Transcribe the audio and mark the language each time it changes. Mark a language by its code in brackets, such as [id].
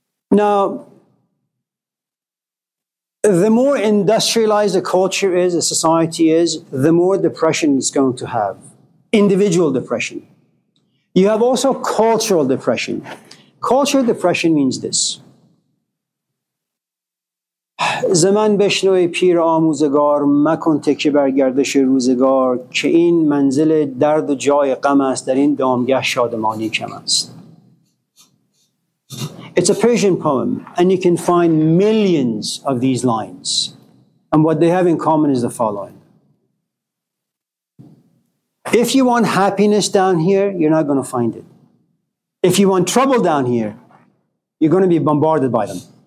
[en] Now, the more industrialized a culture is, a society is, the more depression it's going to have. Individual depression. You have also cultural depression. Cultural depression means this. [fa] زمان بشنوی پیر آموزگار مکن تکیه بر گردش روزگار که این منزل درد و جای غم است در این دامگه شادمانی کم است. [en] It's a Persian poem, and you can find millions of these lines. And what they have in common is the following. If you want happiness down here, you're not going to find it. If you want trouble down here, you're going to be bombarded by them.